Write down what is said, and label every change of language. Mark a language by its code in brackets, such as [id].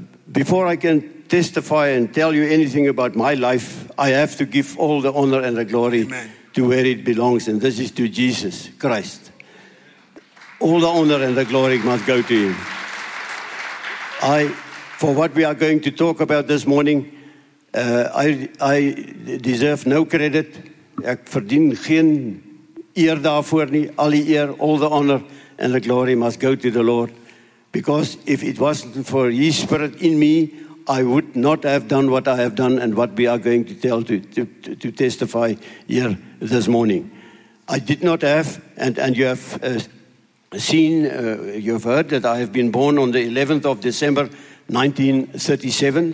[en] Before I can testify and tell you anything about my life, I have to give all the honor and the glory Amen. To where it belongs, and this is to Jesus Christ. All the honor and the glory must go to Him. For what we are going to talk about this morning, I deserve no credit. [af] Ek verdien geen eer daarvoor nie. [en] All the eer, all the honor and the glory must go to the Lord. Because if it wasn't for His Spirit in me, I would not have done what I have done and what we are going to tell to testify here this morning. I did not have, and you have seen, you have heard that I have been born on the 11th of December, 1937.